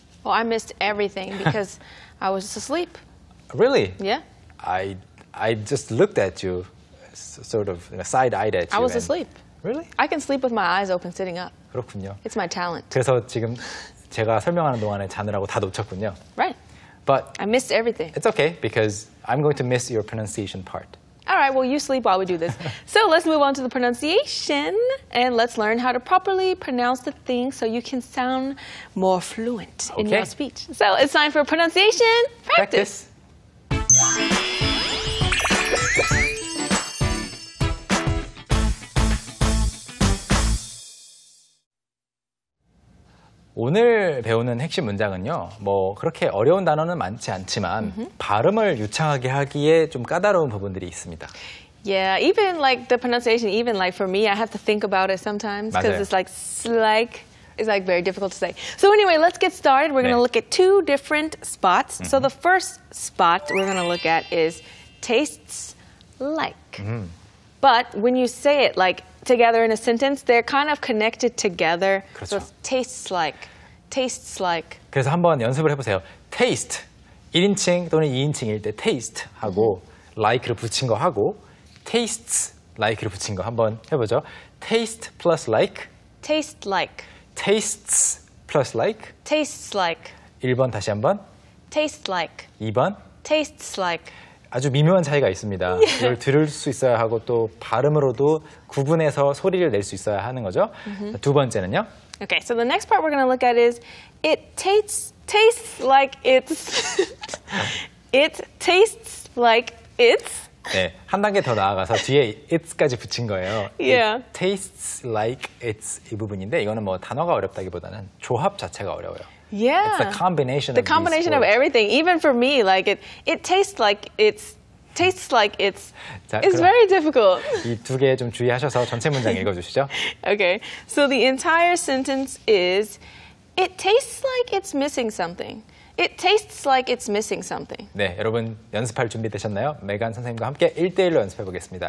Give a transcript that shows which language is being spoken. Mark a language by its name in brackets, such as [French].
[English] Well, I missed everything because I was asleep. Really? Yeah. I just looked at you, sort of side-eyed at you. I was asleep. Really? I can sleep with my eyes open sitting up. [Korean] 그렇군요. [English] It's my talent. [Korean] 그래서 지금 제가 설명하는 동안에 자느라고 다 놓쳤군요. [English] Right. But I missed everything. It's okay because I'm going to miss your pronunciation part. All right, well, you sleep while we do this. So let's move on to the pronunciation and let's learn how to properly pronounce the thing so you can sound more fluent okay. in your speech. So it's time for pronunciation practice. Practice. [Korean] 오늘 배우는 핵심 문장은요. 뭐 그렇게 어려운 단어는 많지 않지만 발음을 유창하게 하기에 좀 까다로운 부분들이 있습니다. [English] Yeah, even like the pronunciation, even like for me, I have to think about it sometimes because it's like, it's like very difficult to say. So anyway, let's get started. We're going to look at two different spots. So the first spot we're going to look at is tastes like. But when you say it like together in a sentence, they're kind of connected together. [Korean] 그렇죠. [English] So tastes like, tastes like. [Korean] 그래서 한번 연습을 해보세요. Taste, 1인칭 또는 2인칭일 때 taste 하고 like를 붙인 거 하고 [English] tastes like [Korean] 를 붙인 거 한번 해보죠. [English] Taste plus like. Taste like. Tastes plus like. Tastes like. [Korean] 1번 다시 한번. [English] Taste like. [Korean] 2번. [English] Tastes like. [Korean] 아주 미묘한 차이가 있습니다. 이걸 들을 수 있어야 하고 또 발음으로도 구분해서 소리를 낼 수 있어야 하는 거죠. 두 번째는요. [English] Okay, so the next part we're going to look at is it tastes like it's. It tastes like it's. [Korean] 네, 한 단계 더 나아가서 뒤에 it's까지 붙인 거예요. [English] Yeah. It tastes like it's [Korean] 이 부분인데 이거는 뭐 단어가 어렵다기보다는 조합 자체가 어려워요. [English] Yeah. It's the combination the of combination of everything. Even for me, like it tastes like it's tastes like it's 자, it's very difficult. [Korean] 이 두 개 좀 주의하셔서 전체 문장 읽어 주시죠. [English] Okay. So the entire sentence is it tastes like it's missing something. It tastes like it's missing something. [Korean] 네, 여러분 연습할 준비 되셨나요? 메간 선생님과 함께 1대1로 연습해 보겠습니다.